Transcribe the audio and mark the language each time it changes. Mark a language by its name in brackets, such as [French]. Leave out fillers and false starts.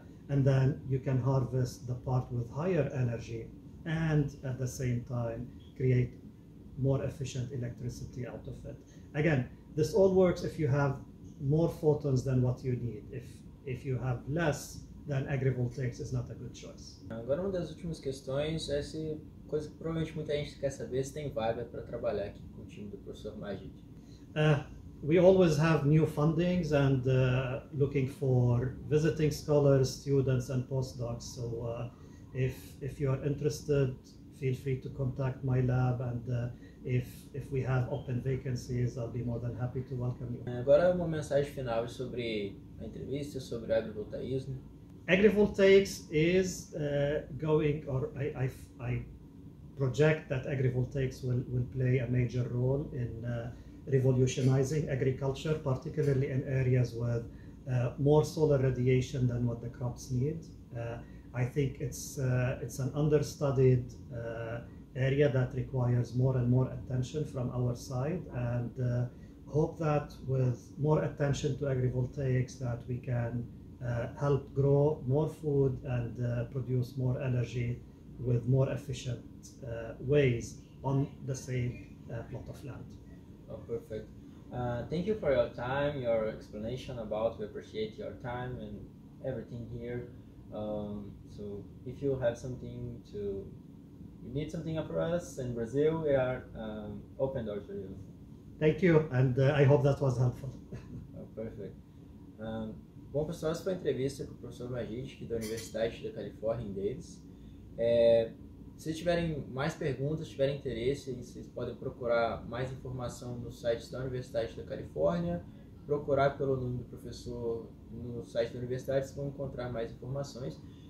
[English] And then you can harvest the part with higher energy and at the same time create more efficient electricity out of it. Again, this all works if you have more photons than what you need. If you have less, then agrivoltaics is not a good choice. [Portuguese] Agora, uma das últimas questões é se, coisa que provavelmente muita gente quer saber, se tem vaga para trabalhar aqui com o time do professor Majid. [English] We always have new fundings and looking for visiting scholars, students and postdocs. So if you are interested, feel free to contact my lab, and if we have open vacancies, I'll be more than happy to welcome you. [Portuguese] Agora uma mensagem final sobre a entrevista, sobre agrivoltaísmo. [English] Agrivoltaics is going, or I project that agrivoltaics will play a major role in revolutionizing agriculture, particularly in areas with more solar radiation than what the crops need. I think it's an understudied area that requires more and more attention from our side, and hope that with more attention to agrivoltaics that we can help grow more food and produce more energy with more efficient ways on the same plot of land. Oh, perfect. Thank you for your time, your explanation about, we appreciate your time and everything here. So if you have something to, you need something for us in Brazil, we are open doors for you. Thank you, and I hope that was helpful. Oh, perfect. [Portuguese] Bom, pessoal, essa foi a entrevista com o professor Majid, que é da Universidade da Califórnia, em Davis. Se tiverem mais perguntas, tiverem interesse, vocês podem procurar mais informação no site da Universidade da Califórnia, procurar pelo nome do professor no site da universidade, vocês vão encontrar mais informações.